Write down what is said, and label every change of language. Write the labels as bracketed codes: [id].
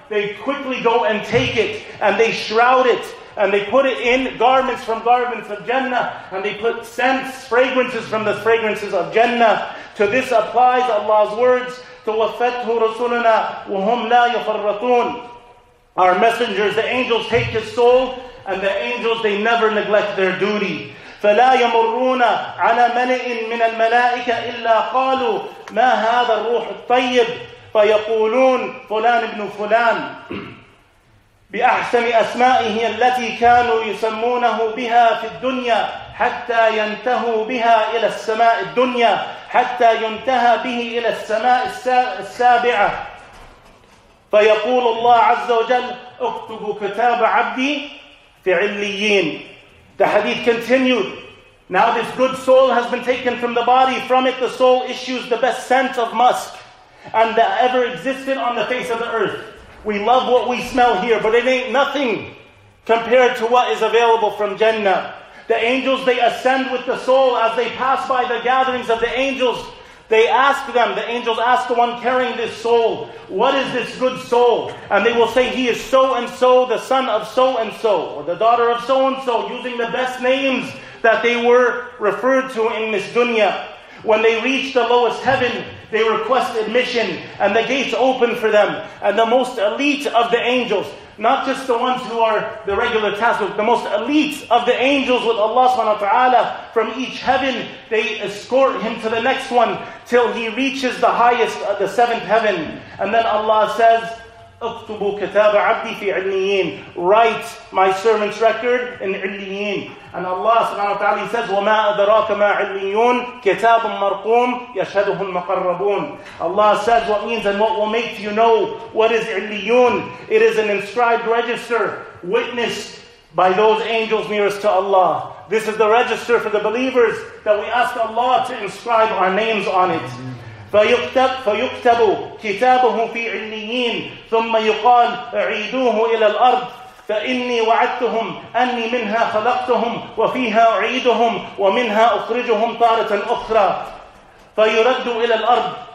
[en] They quickly go and take it, and they shroud it, and they put it in garments from garments of Jannah, and they put scents, fragrances from the fragrances of Jannah. To this applies Allah's words, [ar] تُوَفَّتْهُ رَسُولُنَا وَهُمْ لَا يُفَرَّطُونَ. [en] Our messengers, the angels take his soul, and the angels, they never neglect their duty. [ar] فَلَا يَمُرُّونَ عَلَى مَلَئٍ مِّنَ الْمَلَائِكَ إِلَّا قَالُوا مَا هَذَا الرُّوحُ الطَّيِّبُ فَيَقُولُونَ فُلَانِ بْنُ فُلَانِ بِأَحْسَنِ أَسْمَائِهِ الَّتِي كَانُوا يُسَمُّونَهُ بِهَا فِي الدُّنْيَا حتى ينتهوا بها إلى السماء الدنيا حتى ينتهى به إلى السماء السابعة فيقول الله عز وجل اكتب كتاب عبدي في عليين. [en] The hadith continued. Now this good soul has been taken from the body. From it the soul issues the best scent of musk and that ever existed on the face of the earth. We love what we smell here, but it ain't nothing compared to what is available from Jannah. The angels, they ascend with the soul as they pass by the gatherings of the angels. They ask them, the angels ask the one carrying this soul, what is this good soul? And they will say, he is so and so, the son of so and so, or the daughter of so and so, using the best names that they were referred to in this dunya. When they reach the lowest heaven, they request admission and the gates open for them. And the most elite of the angels, not just the ones who are the regular task, but the most elite of the angels with Allah subhanahu wa ta'ala from each heaven, they escort him to the next one till he reaches the highest, the seventh heaven. And then Allah says, [ar] اكتبوا كتاب عبدي في عليين, [en] write my servant's record in عليين. And Allah subhanahu wa ta'ala says, [ar] وما أدراك ما عليون كتاب مرقوم يشهده المقربون. [en] Allah says what means and what will make you know what is عليون. It is an inscribed register witnessed by those angels nearest to Allah. This is the register for the believers that we ask Allah to inscribe our names on it. [ar] فيكتب كتابه في عليين ثم يقال عيدوه إلى الأرض فإني وعدتهم أني منها خلقتهم وفيها أعيدهم ومنها أخرجهم طارة أخرى فيرد إلى الأرض